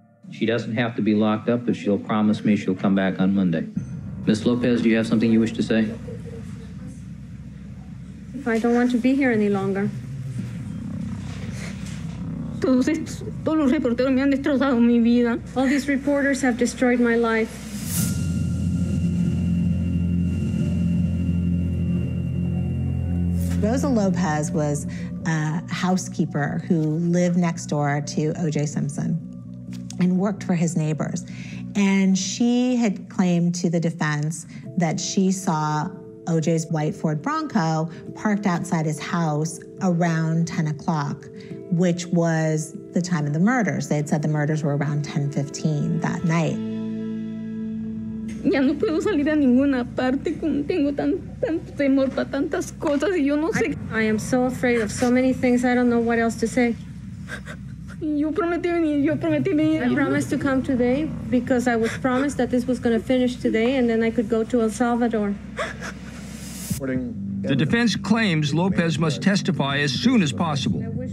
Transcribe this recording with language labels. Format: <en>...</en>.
<en>She doesn't have to be locked up, but she'll promise me she'll come back on Monday. Ms. Lopez, do you have something you wish to say? If I don't want to be here any longer.</en> <es>Todos los reporteros me han destrozado mi vida.</es> <en>All these reporters have destroyed my life. Rosa Lopez was a housekeeper who lived next door to O.J. Simpson and worked for his neighbors. And she had claimed to the defense that she saw OJ's white Ford Bronco parked outside his house around 10 o'clock, which was the time of the murders. They had said the murders were around 10:15 that night.</en> <es>Ya no puedo salir a ninguna parte, como tengo tanto temor para tantas cosas y yo no sé.</es> <en>I am so afraid of so many things, I don't know what else to say. I promised to come today because I was promised that this was going to finish today and then I could go to El Salvador. The defense claims Lopez must testify as soon as possible.</en>